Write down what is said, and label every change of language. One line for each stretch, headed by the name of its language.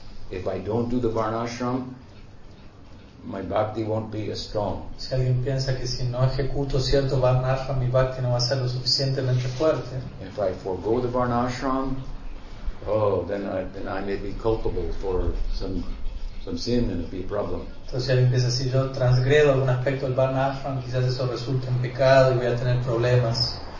English: If I don't do the Varnashram, my bhakti won't be as strong.
Spanish: Si alguien piensa que si no ejecuto cierto Varnashram, mi bhakti no va a ser lo suficientemente fuerte.
English: If I forego the Varnashram, then I may be culpable for some sin and it'll be a problem.
Spanish: Entonces, si alguien piensa, si yo transgredo algún aspecto del Varnashram, quizás eso resulte en pecado y voy a tener problemas.